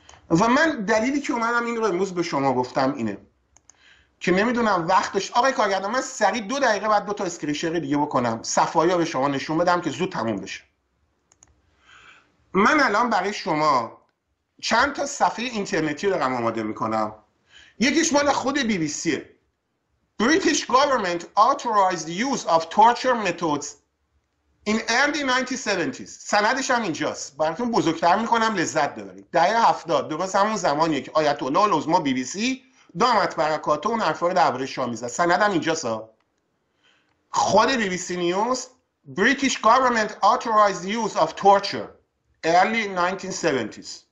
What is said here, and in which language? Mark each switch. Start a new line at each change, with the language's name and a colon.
Persian: و من دلیلی که اومدم این رو امروز به شما گفتم اینه که نمیدونم وقتش آقای کارگردان، من سریع 2 دقیقه بعد 2 تا اسکرین‌شات دیگه بکنم صفحه‌ها رو به شما نشون بدم که زود تموم بشه. من الان برای شما چند تا صفحه اینترنتی رو دارم آماده میکنم. یکیش مال خود بی بی سیه:
English: British government authorized use of torture methods in early 1970s.
Persian: سندش هم اینجاست، براتون بزرگتر میکنم لذت ببرید. دهه 70 درست همون زمانیه که آیت الله العظما بی بی سی دامت برکاته اون حرفا رو دربارش شاه میزد. سند هم اینجاست، خود بی بی سی نیوز:
English: British government authorized use of torture early 1970s.